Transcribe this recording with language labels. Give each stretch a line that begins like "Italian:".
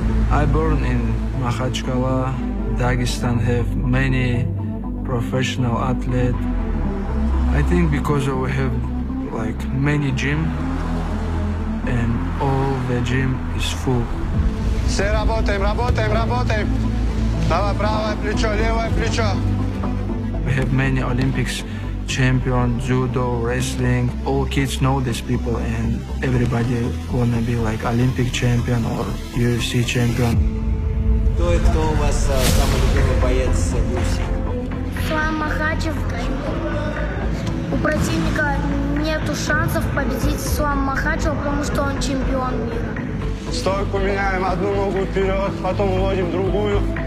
English: I born in Makhachkala, Dagestan have many professional athletes. I think because we have like many gym and all the gym is full.
Russian: Все работаем, работаем, работаем. Давай, правое плечо, левое плечо.
English: We have many Olympics champion, judo, wrestling. All kids know these people and everybody wanna be like Olympic champion or UFC champion.
Russian: Кто и кто у вас самый любимый боец в UFC? Ислам Махачев. У противника нету шансов победить Ислам Махачева, потому что он чемпион мира. Стойку меняем, одну ногу вперед, потом вводим другую.